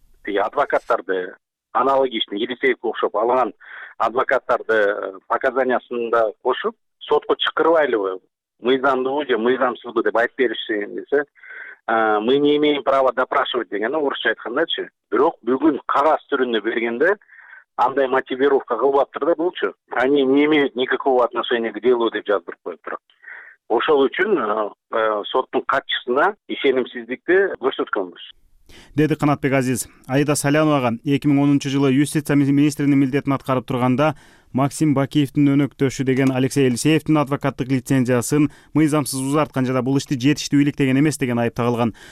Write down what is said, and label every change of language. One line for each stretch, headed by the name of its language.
Kyrgyz: Адвокаттарды аналогичный Елисеевке окшоп алган адвокаттарды показаниясында кошуп сотко чакырбайлыбы? Мыйзамдуубу же мыйзамсызбы деп айтып беришсеңизе
Russian: мы не имеем права допрашивать
Kyrgyz: деген орусча айткандачы. Бирок бүгүн кагаз түрүндө бергенде андай мотивировка кылбаптыр да булчу.
Russian: Они не имеют никакого отношения к делу
Kyrgyz: деп жаздырып коюптур. Ошол үчүн соттун катчысына ишенимсиздикти көрсөткөнбүз. Деди Канатбек Азиз. Айда Салянова 2010 жылы юстиция министринин милдетин аткарып турганда Максим Бакиевдин өнөктөшү деген Алексей Элисеевдин адвокаттык лицензиясын мыйзамсыз узарткан жана бул ишти жетиштүү иликтеген эмес деген айып тагылган.